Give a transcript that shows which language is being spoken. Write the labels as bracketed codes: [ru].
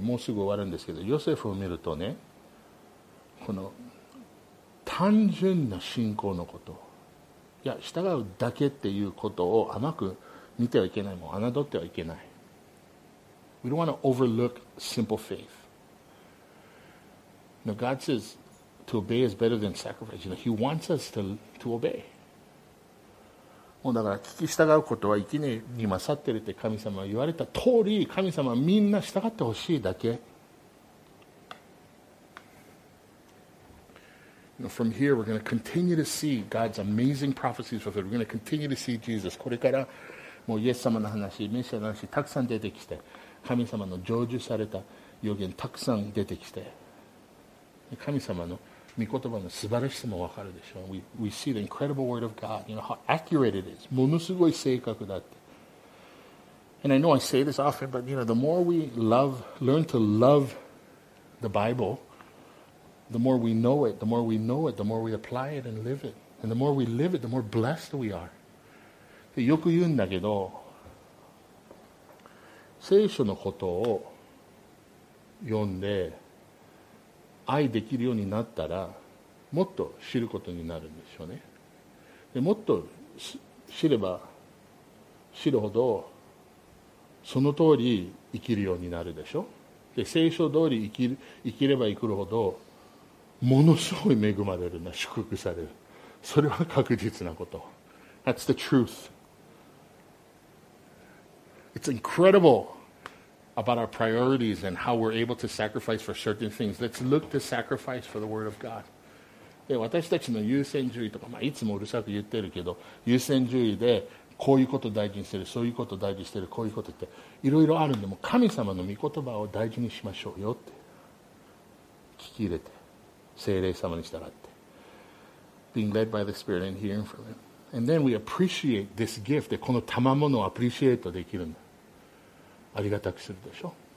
[ja] もうすぐ終わるんですけど、ヨセフを見るとね、この単純な信仰のこと、いや従うだけっていうことを甘く見てはいけないもん、侮ってはいけない。 [en] We don't want to overlook simple faith. Now God says to obey is better than sacrifice. You know, He wants us to obey. [ja] もうだから聞き従うことは生きねえに勝ってるって神様は言われた通り、神様はみんな従ってほしいだけ。 [en] You know, from here, we're going to continue to see God's amazing prophecies fulfilled. We're going to continue to see Jesus. [ja] これからもうイエス様の話、メシアの話たくさん出てきて、神様の成就された予言たくさん出てきて、神様の御言葉の素晴らしさもわかるでしょう。 [en] We see the incredible word of God. You know how accurate it is. [ja] ものすごい正確だって。 [en] And I know I say this often, but you know, the more we love, learn to love the Bible. The more we know it, the more we know it, the more we apply it and live it. And the more we live it, the more blessed we are. [ja] でよく言うんだけど、聖書のことを読んで愛できるようになったら、もっと知ることになるんですよね。でもっと知れば知るほど、その通り生きるようになるでしょ。で聖書通り生きれば生きるほど、ものすごい恵まれるな、祝福される。それは確実なこと。 [en] That's the truth. It's incredible about our priorities and how we're able to sacrifice for certain things. Let's look to sacrifice for the word of God. [ja] で、私たちの優先順位とか、まあ、いつもうるさく言ってるけど、優先順位でこういうことを大事にしてる、そういうことを大事にしてる、こういうことっていろいろあるんで、もう神様の御言葉を大事にしましょうよって聞き入れて。聖霊様に従って [en] being led by the Spirit and hearing from Him. And then we appreciate this gift. [ja] でこの賜物をアプリシエートできるんだ。ありがたくするでしょ。